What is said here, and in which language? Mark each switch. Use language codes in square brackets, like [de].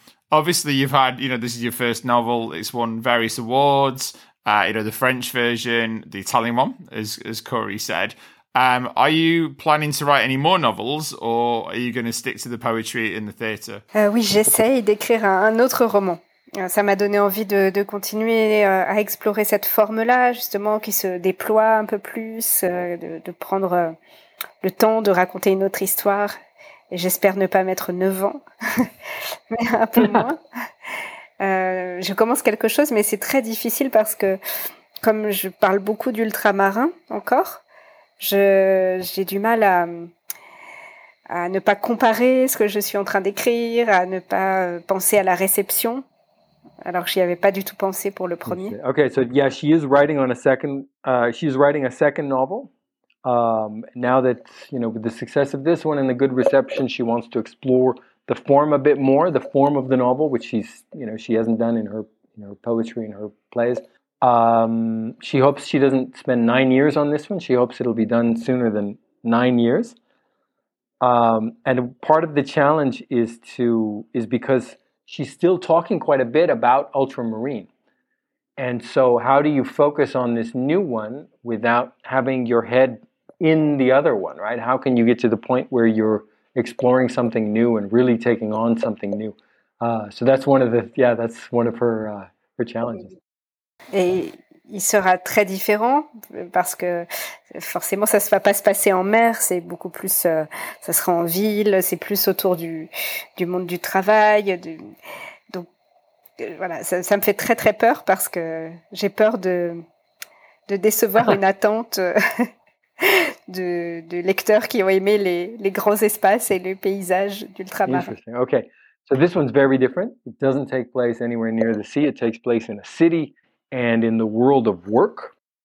[en] Obviously, you've had, this is your first novel. It's won various awards. The French version, the Italian one, as Corey said. Are you planning to write any more novels, or are you going to stick to the poetry in the theatre? [fr] Oui, j'essaie d'écrire un autre roman. Ça m'a donné envie de continuer à explorer cette forme-là, justement, qui se déploie un peu plus, de prendre le temps de raconter une autre histoire. Et j'espère ne pas mettre 9 ans, mais un peu moins. Je commence quelque chose, mais c'est très difficile parce que, comme je parle beaucoup d'ultramarins encore, j'ai du mal à ne pas comparer ce que je suis en train d'écrire, à ne pas penser à la réception. Alors, j'y avais pas du tout pensé pour le premier. [en] Okay, so yeah, she is writing on a second. She is writing a second novel. Now that with the success of this one and the good reception, she wants to explore the form a bit more, the form of the novel, which she's she hasn't done in her poetry and her plays. She hopes she doesn't spend 9 years on this one. She hopes it'll be done sooner than 9 years. And part of the challenge is because she's still talking quite a bit about Ultramarine. And so how do you focus on this new one without having your head in the other one, right? How can you get to the point where you're exploring something new and really taking on something new? So that's one of her challenges. [fr] Et il sera très différent parce que forcément ça ne va pas se passer en mer, c'est beaucoup plus, ça sera en ville, c'est plus autour du monde du travail. Ça me fait très très peur parce que j'ai peur de décevoir une attente de lecteurs qui ont aimé les grands espaces et le paysage d'ultramarin. [en] Interesting. Okay, so this one's very different. It doesn't take place anywhere near the sea. It takes place in a city and in the world of work.